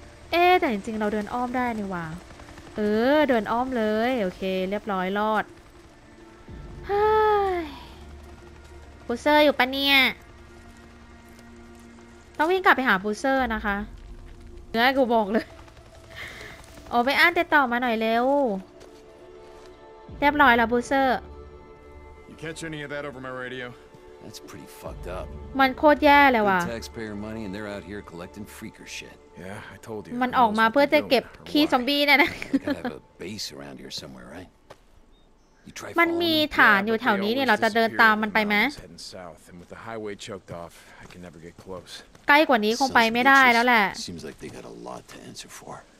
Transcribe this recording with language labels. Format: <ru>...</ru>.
<th>เอ๊แต่จริงๆเราเดินอ้อมได้นี่ว่าเดินอ้อมเลยโอเคเรียบร้อยรอดเฮ้ยบูเซอร์อยู่ปะเนี่ยต้องวิ่งกลับไปหาบูเซอร์นะคะเนื้อกูบอกเลยโอ้ไปอ่านติดต่อมาหน่อยเร็วเรียบร้อยแล้วบูเซอร์</th> <en>Catch any of that over my radio? That's pretty fucked up.</en> <th>มันโคตรแย่เลยว่ะ</th> <en>Taxpayer money and they're out here collecting freaker shit. Yeah, I told you.</en> <th>มันออกมาเพื่อจะเก็บขี้ซอมบี้เนี่ยนะ</th> <en>Base around here somewhere, right? You try.</en> <th>มันมีฐานอยู่แถวนี้เนี่ยเราจะเดินตามมันไปไหม</th> <en>Heading south and with the highway choked off, I can never get close.</en> <th>ใกล้กว่านี้คงไปไม่ได้แล้วแหละ</th> <en>Seems like they got a lot to answer for.</en>